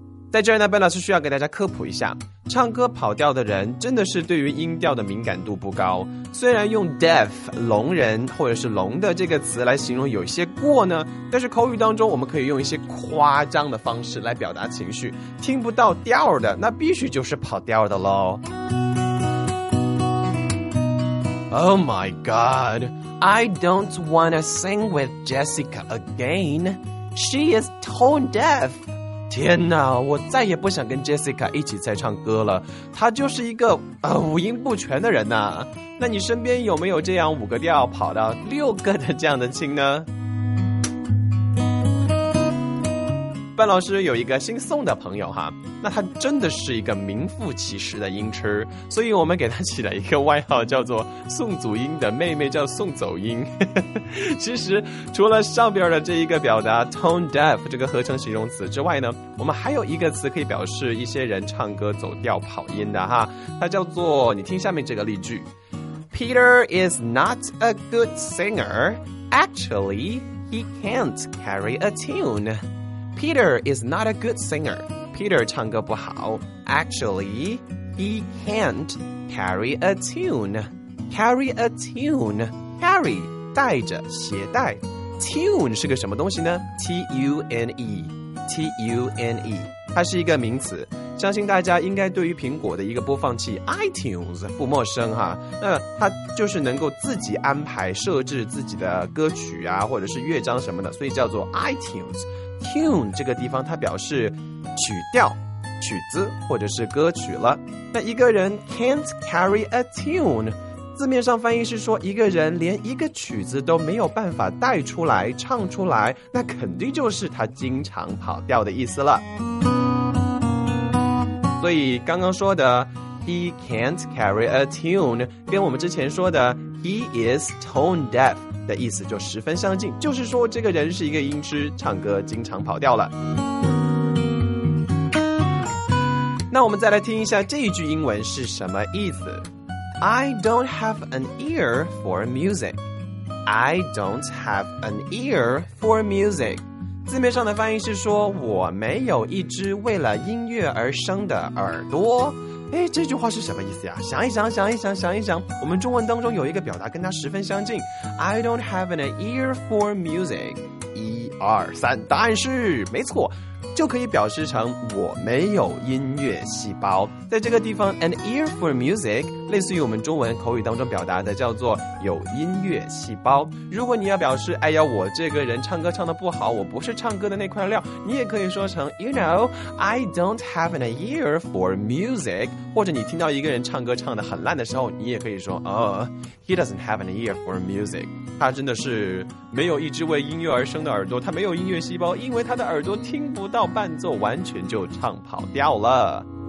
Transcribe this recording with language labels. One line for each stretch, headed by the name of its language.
Chinese: 在这儿呢，贝老师需要给大家科普一下，唱歌跑调的人真的是对于音调的敏感度不高，虽然用 deaf 聋人或者是聋的这个词来形容有些过呢，但是口语当中我们可以用一些夸张的方式来表达情绪，听不到调的那必须就是跑调的咯。
English: Oh my god, I don't want to sing with Jessica again. She is tone deaf.
Chinese: 天哪，我再也不想跟 Jessica 一起再唱歌了。她就是一个五音不全的人呐。那你身边有没有这样五个调跑到六个的这样的亲呢？范老师有一个姓宋的朋友哈，那他真的是一个名副其实的音痴，所以我们给他起了一个外号叫做宋祖英的妹妹叫宋走音。其实除了上边的这一个表达 tone deaf 这个合成形容词之外呢，我们还有一个词可以表示一些人唱歌走调跑音的哈，它叫做，你听下面这个例句，
English: Peter is not a good singer. Actually, he can't carry a tune. Peter is not a good singer. Peter
Chinese: 唱歌不好。
English: Actually, he can't carry a tune. Carry a tune. Carry,
Chinese: 带着携带。 Tune 是个什么东西呢？ T-U-N-E. T-U-N-E. 它是一个名词。相信大家应该对于苹果的一个播放器 iTunes 不陌生哈，那它就是能够自己安排设置自己的歌曲啊或者是乐章什么的，所以叫做 iTunes。 Tune 这个地方它表示曲调曲子或者是歌曲了。那一个人
English: can't carry a tune，
Chinese: 字面上翻译是说一个人连一个曲子都没有办法带出来唱出来，那肯定就是他经常跑调的意思了。所以刚刚说的
English: He can't carry a tune
Chinese: 跟我们之前说的
English: He is tone deaf
Chinese: 的意思就十分相近，就是说这个人是一个音痴，唱歌经常跑调了。那我们再来听一下这一句英文是什么意思。
English: I don't have an ear for music. I don't have an ear for music.
Chinese: 字面上的翻译是说我没有一只为了音乐而生的耳朵。哎，这句话是什么意思呀？想一想，想一想，想一想，我们中文当中有一个表达跟它十分相近。
English: I don't have an ear for music.
Chinese: 一二三，答案是没错。就可以表示成我没有音乐细胞。在这个地方 an ear for music 类似于我们中文口语当中表达的叫做有音乐细胞。如果你要表示哎呀我这个人唱歌唱得不好，我不是唱歌的那块料，你也可以说成
English: you know I don't have an ear for music，
Chinese: 或者你听到一个人唱歌唱得很烂的时候，你也可以说
English: he doesn't have an ear for music，
Chinese: 他真的是没有一只为音乐而生的耳朵，他没有音乐细胞，因为他的耳朵听不到伴奏，完全就唱跑调了。